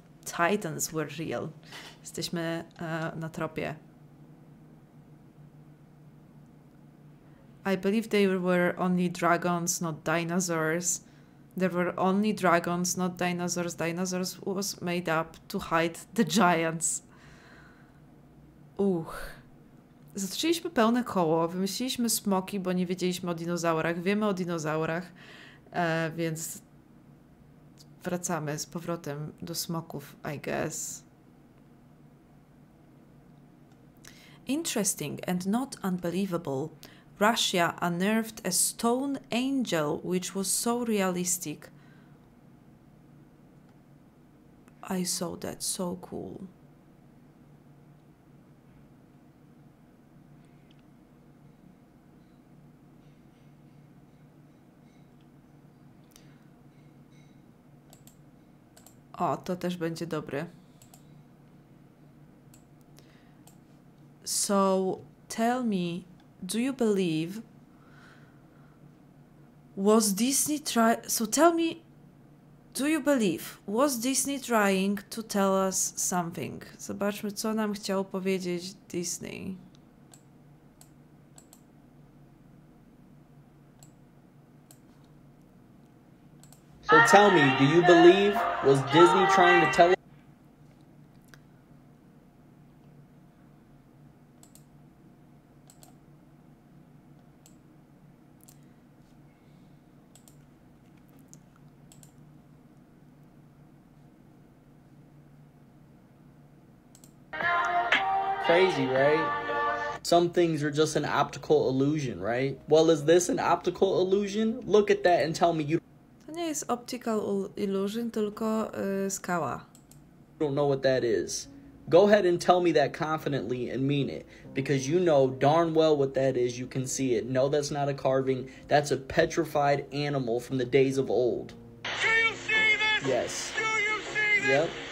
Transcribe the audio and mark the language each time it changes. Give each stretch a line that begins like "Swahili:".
English: Titans were real.
Polish: Jesteśmy na tropie.
English: I believe they were only dragons, not dinosaurs. There were only dragons, not dinosaurs. Dinosaurs was made up to hide the giants. Uch.
Polish: Zatoczyliśmy pełne koło, wymyśliliśmy smoki, bo nie wiedzieliśmy o dinozaurach. Wiemy o dinozaurach, więc wracamy z powrotem do smoków,
English: I guess. Interesting and not unbelievable. Russia unearthed a stone angel, which was so realistic. I saw that, so cool.
Polish: O, to też będzie dobre.
English: So, tell me, do you believe was Disney try... So tell me, Do you believe? Was Disney trying to tell us something?
Polish: Zobaczmy, co nam chciał powiedzieć Disney.
English: So tell me, do you believe? Was Disney trying to tell us? Crazy, right? Some things are just an optical illusion, right? Well, is this an optical illusion? Look at that and tell me you.
Polish: To nie jest
English: optical illusion,
Polish: tylko skała.
English: You don't know what that is. Go ahead and tell me that confidently and mean it, because you know darn well what that is. You can see it. No, that's not a carving. That's a petrified animal from the days of old. Do you see this? Yes. Do you see this? Yep.